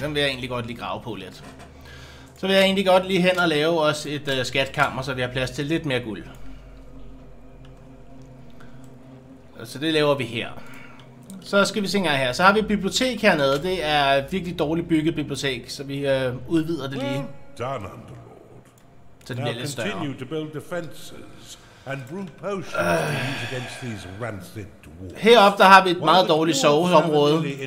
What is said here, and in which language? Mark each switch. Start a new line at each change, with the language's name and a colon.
Danish: Den vil jeg egentlig godt lige grave på lidt. Så vil jeg egentlig godt lige hen og lave os et skatkammer, så vi har plads til lidt mere guld. Så det laver vi her. Så skal vi se engang her. Så har vi et bibliotek hernede. Det er et virkelig dårligt bygget bibliotek, så vi udvider det lige.
English: Done, Underlord.
Danish: Så det bliver lidt større.
English: Now continue to build defenses and brew potions to use against these rancid dwarves.
Danish: Heroppe der har vi et meget dårligt soveområde.